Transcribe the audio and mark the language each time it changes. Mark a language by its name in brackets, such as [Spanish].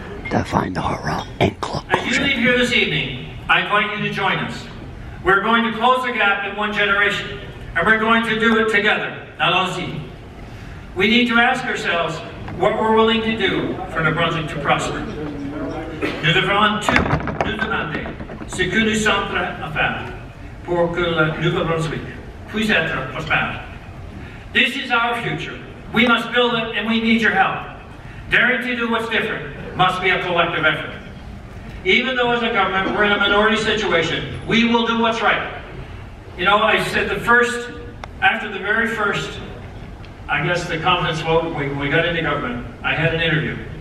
[English] To find the horror and close. As you leave here this evening, I invite you to join us. We're going to close the gap in one generation, and we're going to do it together. Allons-y. We need to ask ourselves what we're willing to do for New Brunswick to prosper. [French] Nous devons tout nous demander ce que nous sommes prêts à faire pour que le Nouveau Brunswick puisse être prospère. [English] This is our future. We must build it, and we need your help. Daring to do what's different must be a collective effort. Even though as a government we're in a minority situation, we will do what's right. You know, I said the confidence vote, we got into government, I had an interview.